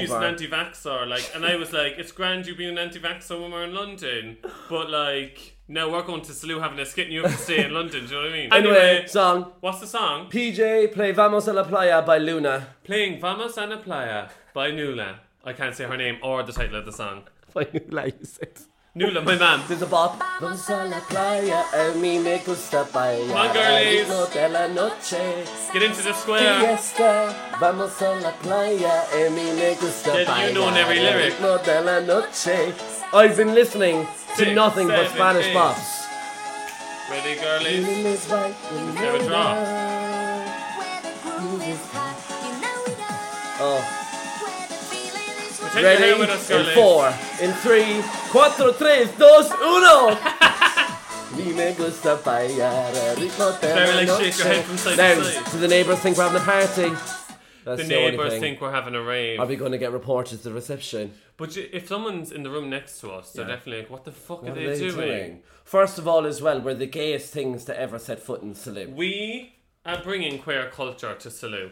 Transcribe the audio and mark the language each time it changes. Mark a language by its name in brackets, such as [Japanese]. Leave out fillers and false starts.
[English] She's an anti-vaxxer, like, and I was like, it's grand you being an anti-vaxxer when we're in London, but like, now we're going to Salou having a skit and you have to stay in London, do you know what I mean? Anyway, song. What's the song? PJ, play Vamos a la Playa by Luna. Playing Vamos a la Playa by Luna. I can't say her name or the title of the song. Nula, you said. Nula, my man. There's a bop. [Spanish] Vamos a la playa, a mí me gusta bailar. [English] Come on, girlies. [Spanish] El de la noche. [English] Get into the square. [Spanish] Fiesta. Vamos a la playa, a mí me gusta bailar. [English] You know every lyric. [Spanish] El de la noche. [English] I've been listening to nothing but Spanish bops. Ready, girlies? Here it draw. Oh. Take ready? In four, in three, [Spanish] cuatro, tres, dos, uno! Me me gusta bailar el ritmo de la noche. [English] Shake your head from side now, to side. Do the neighbours think we're having a party? That's the neighbours think we're having a rave. Are we going to get reported to the reception? But if someone's in the room next to us, they're definitely like, what the fuck are they doing? First of all, as well, we're the gayest things to ever set foot in Salou. We are bringing queer culture to Salou.